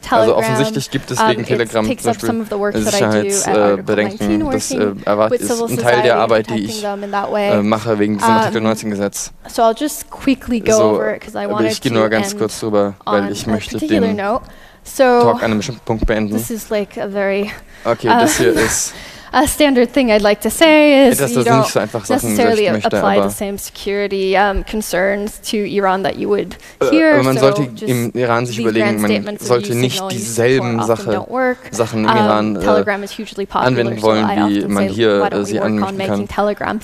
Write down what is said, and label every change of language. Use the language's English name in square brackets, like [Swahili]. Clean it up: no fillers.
[German] Also offensichtlich gibt es wegen Telegram zum Beispiel Sicherheitsbedenken. Das ist ein Teil der Arbeit, die ich mache wegen diesem Artikel 19 Gesetz. Aber ich gehe nur ganz kurz drüber, weil ich möchte den Talk an einem bestimmten Punkt beenden. Okay, das hier ist [English] a standard thing I'd like to say is you don't necessarily apply the same security concerns to Iran that you would hear. [German] Aber man sollte im Iran sich überlegen, man sollte nicht dieselben Sachen im Iran anwenden wollen, wie man hier sie anwenden kann.